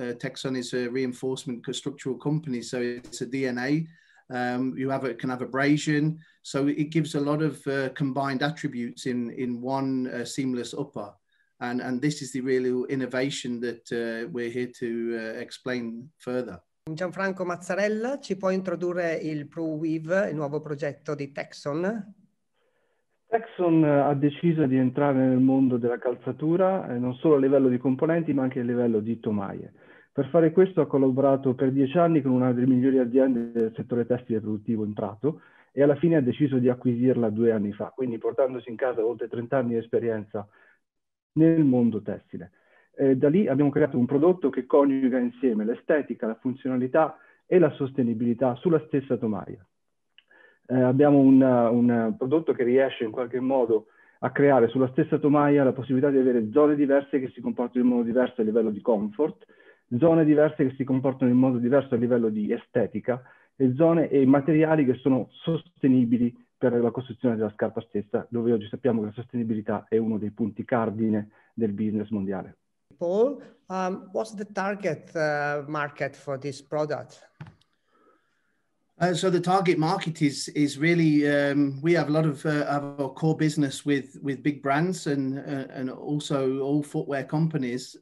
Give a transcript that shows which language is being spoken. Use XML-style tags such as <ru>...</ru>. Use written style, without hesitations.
<en>Texon is a reinforcement structural company. So it's a DNA. Can have abrasion. So it gives a lot of combined attributes in one seamless upper. And this is the real innovation that we're here to explain further.</en> <it>Gianfranco Mazzarella, ci può introdurre il Pro Weave, il nuovo progetto di Texon? Texon ha deciso di entrare nel mondo della calzatura, non solo a livello di componenti, ma anche a livello di tomaie. Per fare questo ha collaborato per 10 anni con una delle migliori aziende del settore tessile produttivo in Prato e alla fine ha deciso di acquisirla 2 anni fa, quindi portandosi in casa oltre 30 anni di esperienza nel mondo tessile. Da lì abbiamo creato un prodotto che coniuga insieme l'estetica, la funzionalità e la sostenibilità sulla stessa tomaia. Abbiamo un prodotto che riesce in qualche modo a creare sulla stessa tomaia la possibilità di avere zone diverse che si comportano in modo diverso a livello di comfort, zone diverse che si comportano in modo diverso a livello di estetica e zone e materiali che sono sostenibili per la costruzione della scarpa stessa, dove oggi sappiamo che la sostenibilità è uno dei punti cardine del business mondiale.</it> <en>Paul, what's the target market for this product? So the target market is really, we have a lot of our core business with big brands and also all footwear companies.</en>